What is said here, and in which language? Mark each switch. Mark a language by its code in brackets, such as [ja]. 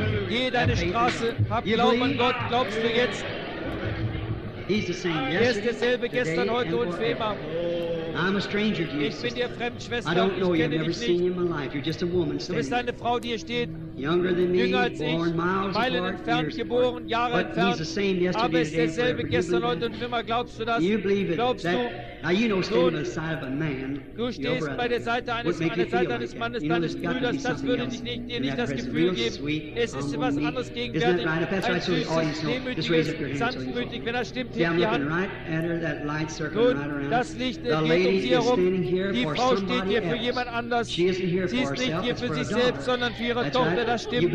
[de] Geh deine Straße, hab Glauben an Gott, glaubst du jetzt? Er ist derselbe gestern, heute und für immer. [en] I'm a stranger to you. [de] Ich bin dir fremd, Schwester. [en] I don't know you. I've never seen you in my life. You're just a woman standing. [de] Du bist eine Frau, die hier steht. [en] Younger than me, [de] jünger als ich, Meilen entfernt, geboren, Jahre entfernt. Aber es ist derselbe gestern, heute und immer. Glaubst du das? [en] You believe it? [de] Glaubst du? [en] Now you know, standing by the side of a man, [de] du stehst bei der Seite eines Mannes, deines Brüders, das würde dir nicht das Gefühl geben. Es ist etwas anderes gegenwärtig. Ein süßes, demütiges, sanftmütig, wenn das stimmt, hebt die Hand. Nun, das Licht geht um sie herum. Die Frau steht hier für jemand anders. Sie ist nicht hier für sich selbst, sondern für ihre Tochter. das stimmt.